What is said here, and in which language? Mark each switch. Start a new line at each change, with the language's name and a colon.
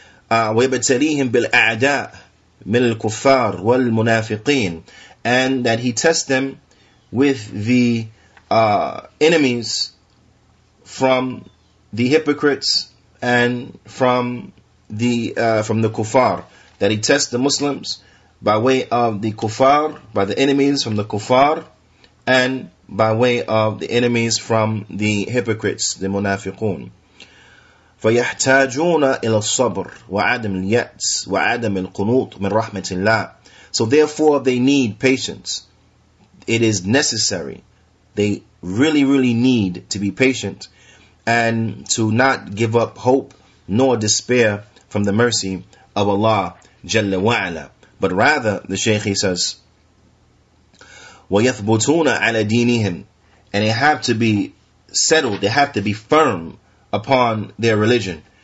Arabic: وَيَبْتَلِيهِمْ بِالْأَعْدَاءِ مِنَ الْكُفَّارِ وَالْمُنَافِقِينَ
English: And that He tests them with the enemies from the hypocrites and from the kuffar. That He tests the Muslims by way of the kuffar, by the enemies from the kuffar, and by way of the enemies from the hypocrites, the munafiqun.
Arabic: فَيَحْتَاجُونَ إِلَى الصَّبْرِ وَعَدَمِ الْيَأْسِ وَعَدَمِ الْقُنُوطِ مِنْ رَحْمَةِ اللَّهِ
English: So therefore they need patience. It is necessary. They really, really need to be patient and to not give up hope nor despair from the mercy of Allah Jalla wa'ala. But rather, the Shaykh, he says,
Arabic: وَيَثْبُتُونَ عَلَى دِينِهِمْ
English: And they have to be settled, they have to be firm upon their religion.